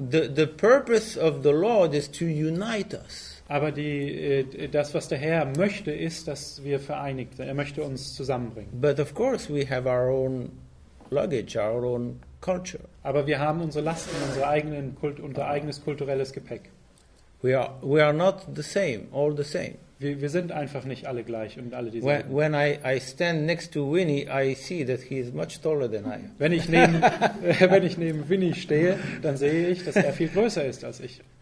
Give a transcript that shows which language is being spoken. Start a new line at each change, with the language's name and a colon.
English: The purpose of the Lord is to unite us.
German: Aber das, was der Herr möchte, ist, dass wir vereinigt. Er möchte uns zusammenbringen.
English: But of course, we have our own luggage, our own culture.
German: Aber wir haben unsere Lasten, unsere eigenen unser eigenes kulturelles Gepäck.
English: We are not the same, all the same.
German: Wir sind einfach nicht alle gleich und alle dieselben.
English: When I stand next to Winnie, I see that he is much taller than I.
German: Wenn ich neben Winnie stehe, dann sehe ich, dass er viel größer ist als ich.